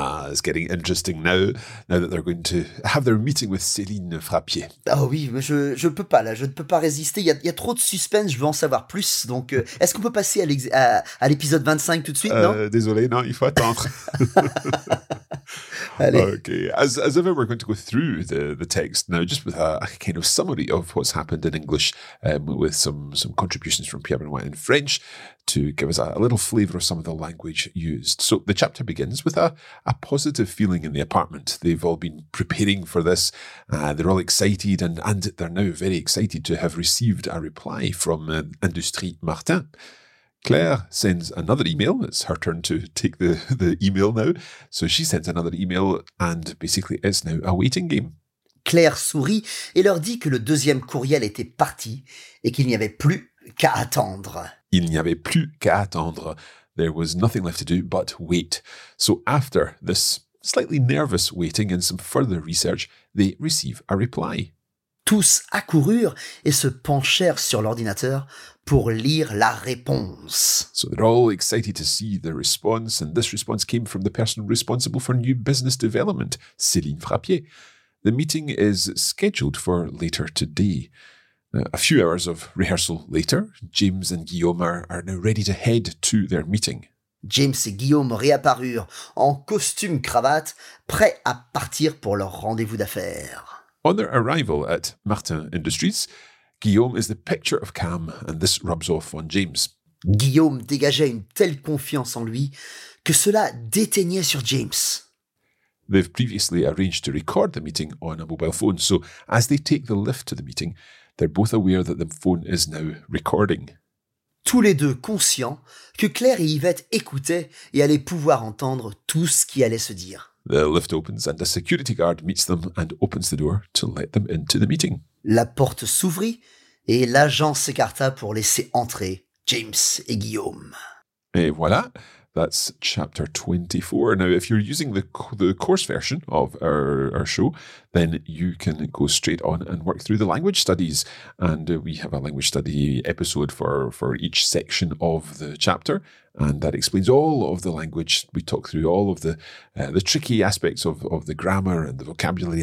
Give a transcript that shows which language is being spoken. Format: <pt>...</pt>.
<en>is getting interesting now that they're going to have their meeting with Céline Frappier.</en> <fr>Ah oui, mais je peux pas là, je ne peux pas résister. Il y a trop de suspense, je veux en savoir plus. Donc, est-ce qu'on peut passer à l'épisode 25 tout de suite, non? Désolé, non, il faut attendre. Allez.</fr> <en>Okay, as ever, we're going to go through the text now, just with a kind of summary of what's happened in English, with some contributions from Pierre Benoit in French to give us a little flavour of some of the language used. So the chapter begins with a positive feeling in the apartment. They've all been preparing for this. They're all excited and they're now very excited to have received a reply from Industrie Martin. Claire sends another email. It's her turn to take the email now. So she sends another email and basically it's now a waiting game.</en> <fr>Claire sourit et leur dit que le deuxième courriel était parti et qu'il n'y avait plus qu'à attendre. Il n'y avait plus qu'à attendre.</fr> <en>There was nothing left to do but wait. So after this slightly nervous waiting and some further research, they receive a reply.</en> <fr>Tous accoururent et se penchèrent sur l'ordinateur pour lire la réponse.</fr> <en>So they're all excited to see the response, and this response came from the person responsible for new business development, Céline Frappier. The meeting is scheduled for later today. A few hours of rehearsal later, James and Guillaume are now ready to head to their meeting.</en> <fr>James et Guillaume réapparurent en costume cravate, prêts à partir pour leur rendez-vous d'affaires.</fr> <en>On their arrival at Martin Industries, Guillaume is the picture of calm, and this rubs off on James.</en> <fr>Guillaume dégageait une telle confiance en lui que cela déteignait sur James.</fr> <en>They've previously arranged to record the meeting on a mobile phone, so as they take the lift to the meeting, they're both aware that the phone is now recording.</en> <fr>Tous les deux conscients que Claire et Yvette écoutaient et allaient pouvoir entendre tout ce qui allait se dire.</fr> <en>The lift opens and a security guard meets them and opens the door to let them into the meeting.</en> <fr>La porte s'ouvrit et l'agent s'écarta pour laisser entrer James et Guillaume. Et voilà,</fr> <en>that's chapter 24. Now, if you're using the course version of our show, then you can go straight on and work through the language studies. And we have a language study episode for each section of the chapter. And that explains all of the language. We talk through all of the tricky aspects of the grammar and the vocabulary.</en>